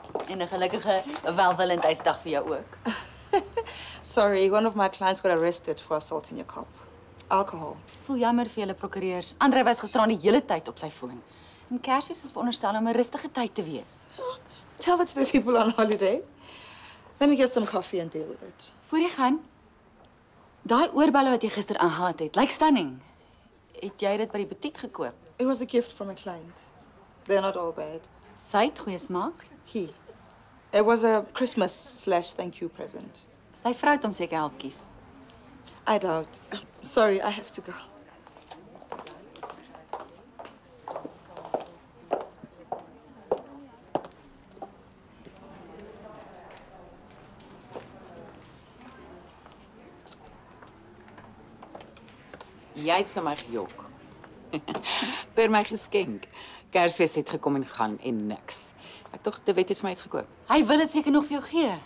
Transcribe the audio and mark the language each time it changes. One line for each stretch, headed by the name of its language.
Afrikaans: En 'n gelukkige welwillendheidsdag vir jou ook.
English: Sorry, one of my clients got arrested for assault in your cop. Alcohol.
Afrikaans: Voel jammer vir julle prokureurs. Andre was gisteraan die hele tyd op sy foon. En Kersfees is veronderstel om 'n rustige tyd te wees.
English: Just tell that to the people on holiday. Let me get some coffee and deal with it.
Afrikaans: Voor jy gaan, daai oorbelle wat jy gister aangehad het, lyk stunning. Het jy dit by die butiek gekoop?
English: It was a gift from a client. They're not all bad.
Afrikaans: Sy het goeie smaak.
English: He. It was a Christmas/thank-you present.
Afrikaans: Sy vrou het hom seker help kies.
English: I doubt. Sorry, I have to go.
Afrikaans: Jy het vir my gejok. Vir my geskenk. Kersfees het gekom en gegaan en niks. Ek dink jy weet jy het vir my iets gekoop. Hy wil dit seker nog vir jou gee.